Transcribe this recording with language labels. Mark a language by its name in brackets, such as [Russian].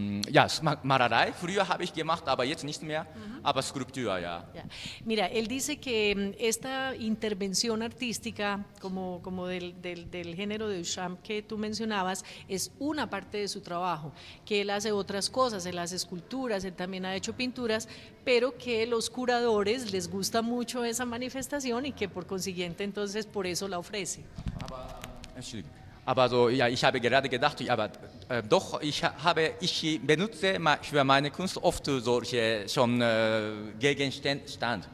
[German] Ja, Malerei, früher habe ich gemacht, aber jetzt nicht mehr, aber Skulptur, ja. Ja. [Spanish] Mira, él dice que esta intervención artística, como del género de Duchamp que tú mencionabas, es una parte de su trabajo, que él hace otras cosas, él hace esculturas, él también ha hecho pinturas, pero que los curadores les gusta mucho esa manifestación y que por consiguiente entonces por eso la ofrece. [German] Aber so, ja, ich habe gerade gedacht, aber doch, ich benutze für meine Kunst oft solche schon Gegenstand.